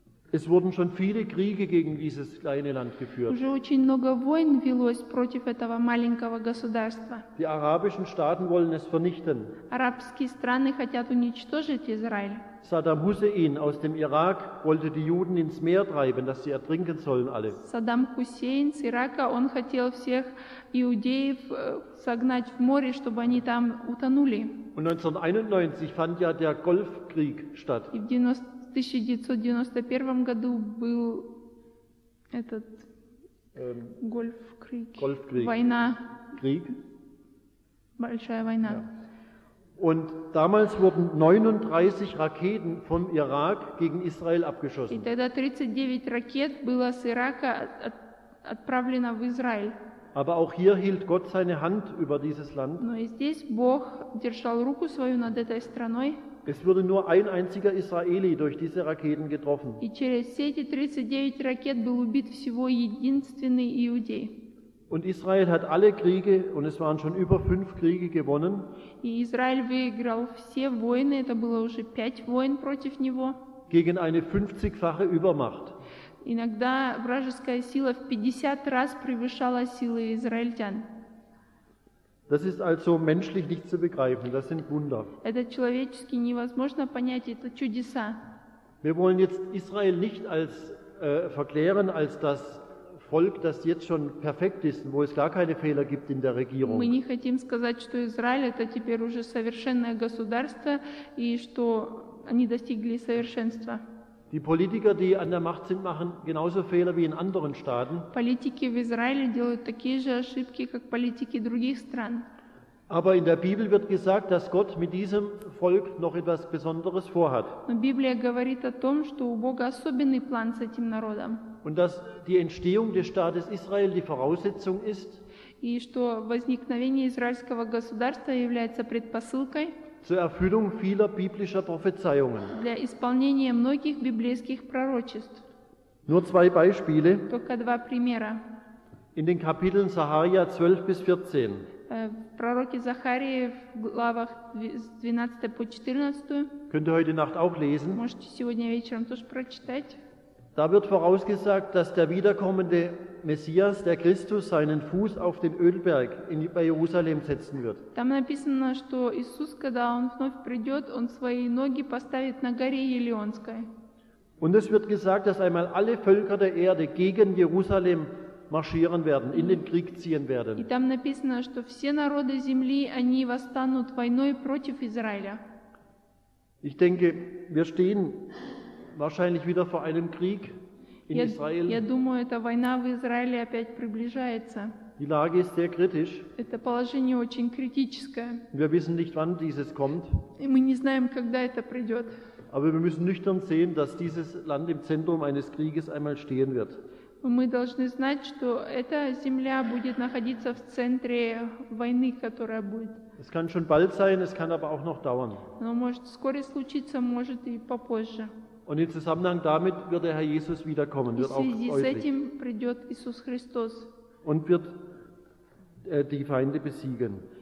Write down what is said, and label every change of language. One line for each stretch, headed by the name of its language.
German: Es wurden schon viele Kriege gegen dieses kleine Land geführt.
Russian: Уже очень много войн велось против этого маленького государства.
German: Die arabischen Staaten wollen es vernichten.
Russian: Арабские страны хотят уничтожить Израиль.
German: Saddam Hussein aus dem Irak wollte die Juden ins Meer treiben, dass sie ertrinken sollen alle.
Russian: Саддам Хусейн из Ирака, он хотел всех иудеев согнать в море, чтобы они там утонули.
German: Und 1991 fand ja der Golfkrieg statt.
Russian: В 1991 году был этот
German: Гольфкрик,
Russian: война,
German: Krieg?
Russian: Большая война.
German: Und damals wurden 39 Raketen vom Irak gegen Israel abgeschossen.
Russian: И тогда 39 ракет было с Ирака отправлено в Израиль.
German: Aber auch hier hielt Gott seine Hand über dieses Land.
Russian: Но и здесь Бог держал руку свою над этой страной.
German: Es wurde nur ein einziger Israeli durch diese Raketen getroffen.
Russian: И через все эти 39 ракет был убит всего единственный иудей.
German: Und Israel hat alle Kriege, und es waren schon über 5 Kriege gewonnen.
Russian: И Израиль выиграл все войны, это было уже 5 войн против него.
German: Gegen eine 50-fache Übermacht.
Russian: Иногда вражеская сила в 50 раз превышала силы израильтян.
German: Das ist also menschlich nicht zu begreifen. Das sind Wunder.
Russian: Это человечески невозможно понять, это чудеса.
German: Wir wollen jetzt Israel nicht als verklären als das Volk, das jetzt schon perfekt ist, wo es gar keine Fehler gibt in der Regierung.
Russian: Мы не хотим сказать, что Израиль это теперь уже совершенное государство и что они достигли совершенства.
German: Die Politiker, die an der Macht sind, machen genauso Fehler wie in anderen Staaten.
Russian: Политики в Израиле делают такие же ошибки, как политики других стран.
German: Aber in der Bibel wird gesagt, dass Gott mit diesem Volk noch etwas Besonderes vorhat.
Russian: Но Библия говорит о том, что у Бога особенный план с этим народом.
German: Und dass die Entstehung des Staates Israel die Voraussetzung ist.
Russian: И что возникновение израильского государства является предпосылкой.
German: Zur Erfüllung vieler biblischer Prophezeiungen.
Russian: Для исполнения многих библейских пророчеств.
German: Nur zwei Beispiele.
Russian: Только два примера.
German: In den Kapiteln Sacharja 12 bis 14.
Russian: Пророки Захарии в главах 12 по 14.
German: Könnt ihr heute Nacht auch lesen?
Russian: Можете сегодня вечером тоже прочитать.
German: Da wird vorausgesagt, dass der wiederkommende Messias, der Christus, seinen Fuß auf den Ölberg bei Jerusalem setzen wird.
Russian: Там написано, что Иисус, когда он вновь придет, он свои ноги поставит на горе Елеонской.
German: Und es wird gesagt, dass einmal alle Völker der Erde gegen Jerusalem marschieren werden, in den Krieg ziehen werden.
Russian: И там написано, что все народы земли, они восстанут войной против Израиля.
German: Ich denke, wir stehen wahrscheinlich wieder vor einem Krieg in Israel.
Russian: Я думаю, эта война в Израиле опять приближается.
German: Die Lage ist sehr kritisch.
Russian: Это положение очень критическое.
German: Wir wissen nicht, wann dieses kommt.
Russian: И мы не знаем, когда это придет.
German: Aber wir müssen nüchtern sehen, dass dieses Land im Zentrum eines Krieges einmal stehen wird.
Russian: Мы должны знать, что эта земля будет находиться в центре войны, которая будет.
German: Es kann schon bald sein, es kann aber auch noch dauern.
Russian: Но может скоро случиться, может и попозже.
German: Und in Zusammenhang damit wird der Herr Jesus wiederkommen, wird auch deutlich. Und wird die Feinde besiegen.